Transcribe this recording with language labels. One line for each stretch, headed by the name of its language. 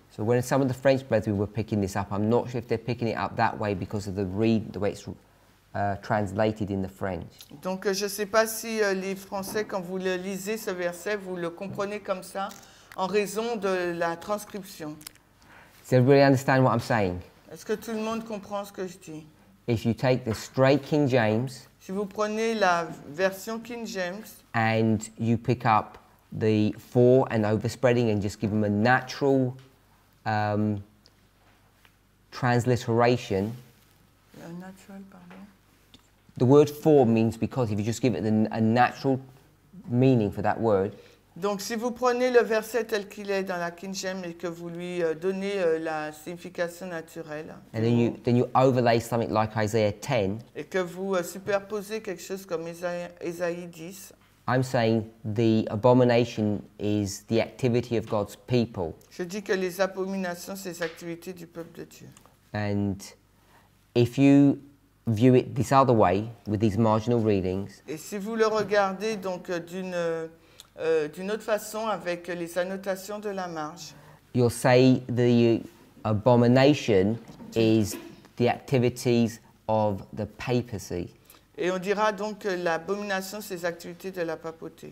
English: So when some of the French brethren were picking this up, I'm not sure if they're picking it up that way because of the way it's translated in the French.
French: Donc je ne sais pas si les Français, quand vous le lisez ce verset, vous le comprenez comme ça en raison de la transcription.
English: Does everybody understand what I'm saying?
French: Est-ce que tout le monde comprend ce que je dis?
English: If you take the straight King James,
French: si vous prenez la version King James,
English: and you pick up the four and overspreading and just give them a natural transliteration. Natural, pardon. The word "for" means because. If you just give it a natural meaning for that word.
French: Donc, si vous prenez le verset tel qu'il est dans la King James et que vous lui donnez la signification naturelle.
English: And then you overlay something like Isaiah 10.
French: Et que vous superposez quelque chose comme Isaïe 10.
English: I'm saying the abomination is the activity of God's people.
French: Je dis que les abominations, c'est les activités du peuple de Dieu.
English: And if you view it this other way, with these marginal readings.
French: Et si vous le regardez donc d'une autre façon avec les annotations de la marge.
English: You'll say the abomination is the activities of the papacy.
French: Et on dira donc que l'abomination, c'est les activités de la papauté.